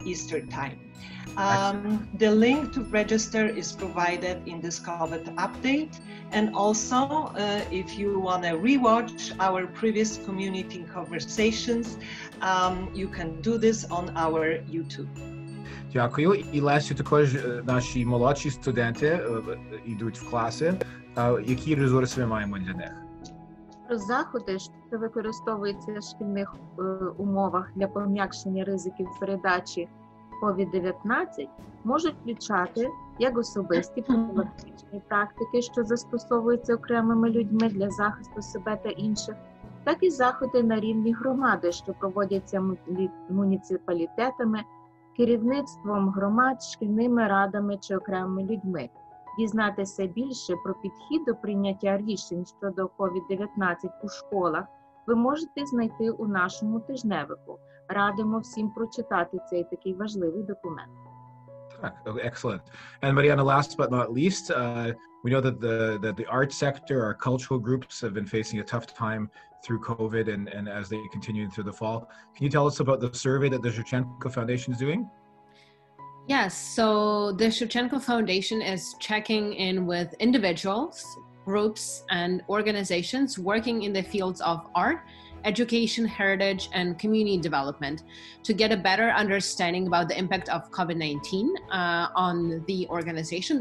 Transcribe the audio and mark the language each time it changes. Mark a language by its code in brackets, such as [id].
[en] Eastern time. The link to register is provided in this COVID update. And also, if you want to rewatch our previous community conversations, you can do this on our YouTube. [uk] Дякую. І Лесю також наші молодші студенти йдуть в класи. Які ресурси ми маємо для них? Заходи, що використовуються в шкільних умовах для пом'якшення ризиків передачі COVID-19, можуть включати як особисті профілактичні практики, що застосовуються окремими людьми для захисту себе та інших, так і заходи на рівні громади, що проводяться муніципалітетами, керівництвом громад, шкільними радами чи окремими людьми. Дізнатися більше про підхід до прийняття рішень щодо COVID-19 у школах ви можете знайти у нашому тижневику. Радимо всім прочитати цей такий важливий документ. Так, [en] excellent. And Mariana, last but not least, we know that the art sector, our cultural groups have been facing a tough time through COVID and as they continue through the fall. Can you tell us about the survey that the Shevchenko Foundation is doing? Yes, so the Shevchenko Foundation is checking in with individuals, groups, and organizations working in the fields of art, education, heritage, and community development to get a better understanding about the impact of COVID-19 on the organization.